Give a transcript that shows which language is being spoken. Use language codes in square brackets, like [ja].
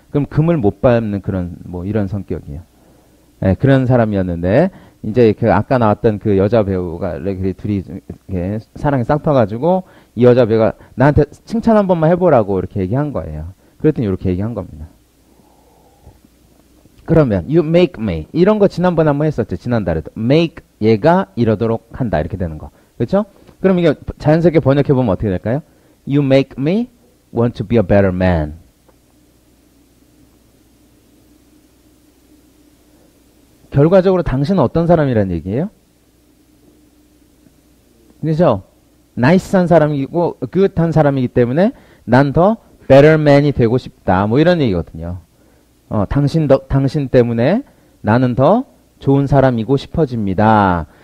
[ko] 그럼 금을 못 밟는 그런 뭐 이런 성격이에요. 네, 그런 사람이었는데 이제 그 아까 나왔던 그 여자 배우가 이렇게 둘이 이렇게 사랑에 싹터가지고 이 여자 배우가 나한테 칭찬 한 번만 해보라고 이렇게 얘기한 거예요. 그랬더니 이렇게 얘기한 겁니다. 그러면 [en] you make me [ko] 이런 거 지난번에 한번 했었죠. 지난달에도 make 얘가 이러도록 한다 이렇게 되는 거. 그렇죠? 그럼 이게 자연스럽게 번역해 보면 어떻게 될까요? [en] You make me want to be a better man. [ko] 결과적으로 당신은 어떤 사람이라는 얘기예요? 그렇죠? 나이스한 사람이고 good한 사람이기 때문에 난 더 better man이 되고 싶다. 뭐 이런 얘기거든요. 당신 때문에 나는 더 좋은 사람이고 싶어집니다.